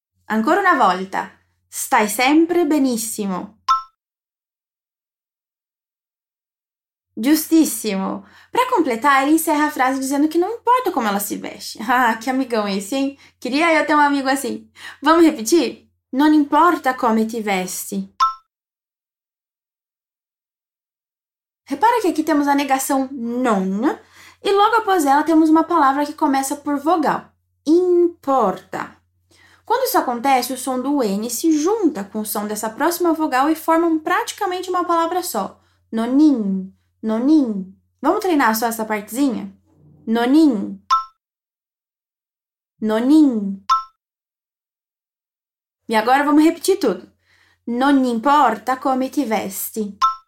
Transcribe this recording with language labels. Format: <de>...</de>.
<it>Ancora una volta, stai sempre benissimo. Giustissimo.</it> <pt>Para completar, ele encerra a frase dizendo que não importa como ela se veste. Ah, que amigão esse, hein? Queria eu ter um amigo assim. Vamos repetir?</pt> <it>Non importa come ti vesti.</it> <pt>Repara que aqui temos a negação non e logo após ela temos uma palavra que começa por vogal. Importa. Quando isso acontece, o som do N se junta com o som dessa próxima vogal e formam praticamente uma palavra só. Nonin, nonin. Vamos treinar só essa partezinha?</pt> <it>Nonin, nonin.</it> <pt>E agora vamos repetir tudo.</pt> <it>Non importa come ti vesti.</it>